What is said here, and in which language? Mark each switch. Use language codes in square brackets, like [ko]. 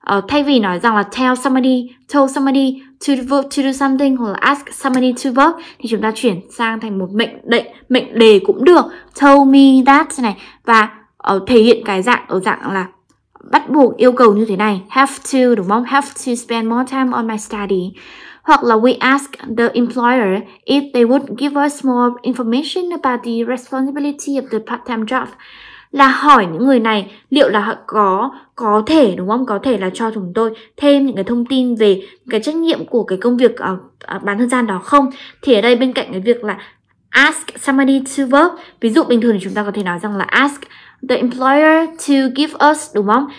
[vi] Thay vì nói rằng là [en] tell somebody, told somebody to work, to do something, [vi] hoặc là [en] ask somebody to work, [vi] thì chúng ta chuyển sang thành một mệnh đề, mệnh đề cũng được. [en] Told me that [vi] này. Và thể hiện cái dạng ở dạng là bắt buộc, yêu cầu như thế này. [en] Have to, [vi] đúng không? [en] Have to spend more time on my study. [vi] Hoặc là [en] we ask the employer if they would give us more information about the responsibility of the part-time job. [vi] Là hỏi những người này liệu là họ có thể, đúng không? Có thể là cho chúng tôi thêm những cái thông tin về cái trách nhiệm của cái công việc bán thời gian đó không? Thì ở đây bên cạnh cái việc là [en] ask somebody to work, [vi] ví dụ bình thường thì chúng ta có thể nói rằng là [en] ask the employer to give us, [vi] đúng không?